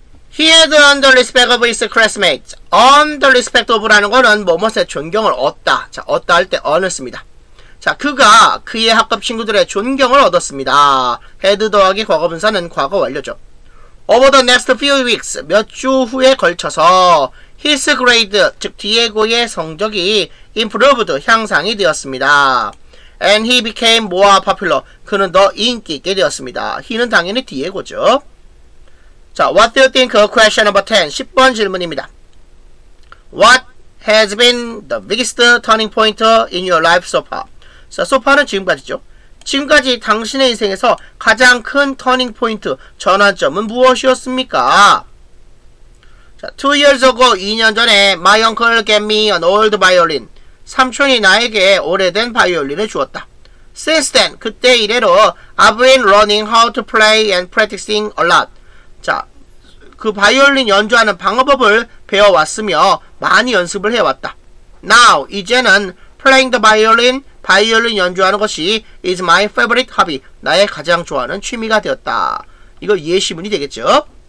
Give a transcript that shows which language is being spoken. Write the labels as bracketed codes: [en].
[en] He had earned the respect of his classmates. earned the respect of [ko] 라는 거는 무엇의 존경을 얻다. 자, 얻다 할 때 earned습니다. 자, 그가 그의 학급 친구들의 존경을 얻었습니다. had 더하기 과거분사는 과거 완료죠. [en] Over the next few weeks, [ko] 몇 주 후에 걸쳐서 [en] his grade, [ko] 즉 디에고의 성적이 improved, 향상이 되었습니다. [en] And he became more popular, [ko] 그는 더 인기 있게 되었습니다. he는 당연히 디에고죠. [en] 자, what do you think? question number 10, [ko] 10번 질문입니다. [en] What has been the biggest turning point in your life so far? [ko] 자, 소파는 지금까지죠. 지금까지 당신의 인생에서 가장 큰 터닝 포인트, 전환점은 무엇이었습니까? [en] 자, 2 years ago, [ko] 2년 전에 [en] my uncle gave me an old violin. [ko] 삼촌이 나에게 오래된 바이올린을 주었다. [en] Since then, [ko] 그때 이래로 [en] I've been learning how to play and practicing a lot. [ko] 자, 그 바이올린 연주하는 방법을 배워왔으며 많이 연습을 해왔다. [en] Now, [ko] 이제는 [en] playing the violin, [ko] 바이올린 연주하는 것이 [en] is my favorite hobby, [ko] 나의 가장 좋아하는 취미가 되었다. 이거 예시문이 되겠죠.